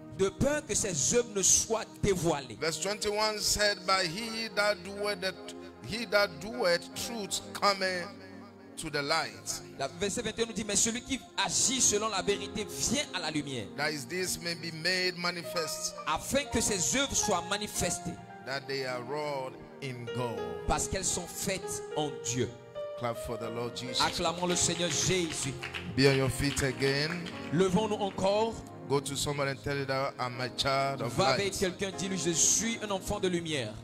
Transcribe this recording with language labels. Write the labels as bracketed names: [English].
[French] De peur que ses œuvres ne soient dévoilées. [English] Verse 21 said, "By he that doeth truth cometh to the light." [French] La verset 21 nous dit mais celui qui agit selon la vérité vient à la lumière. [English] That is this may be made manifest. [French] Afin que ses œuvres soient manifestées. [English] That they are wrought in God. [French] Parce qu'elles sont faites en Dieu. [English] Clap for the Lord Jesus. [French] Acclamons le Seigneur Jésus. [English] Be on your feet again. [French] Levons-nous encore. [English] Go to someone and tell them I'm a child of [French] va [English] light. [French] Va avec quelqu'un dis-lui je suis un enfant de lumière.